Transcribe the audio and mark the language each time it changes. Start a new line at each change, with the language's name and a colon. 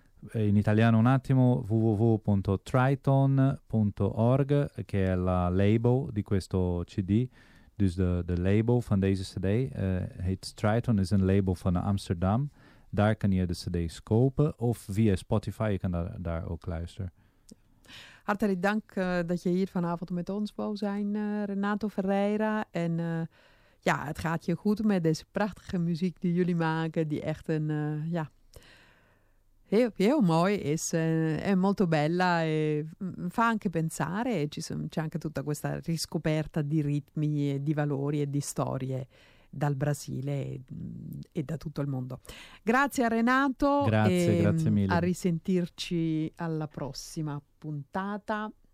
Italian: In italiano un attimo, www.triton.org, che è la label di questo CD,
Dutch: dus the label van deze CD. Heet Triton, is een label van Amsterdam. Daar kan je de CD's kopen, of via Spotify, je kan daar ook luisteren. Hartelijk dank dat je hier vanavond met ons wou zijn, Renato Ferreira. En ja, het gaat je goed met deze prachtige muziek die jullie maken, die echt een heel mooi is.
Italian: È molto bella e fa anche pensare. C'è anche tutta questa riscoperta di ritmi e di valori e di storie dal Brasile e da tutto il mondo. Grazie a Renato. Grazie mille. A risentirci alla prossima puntata.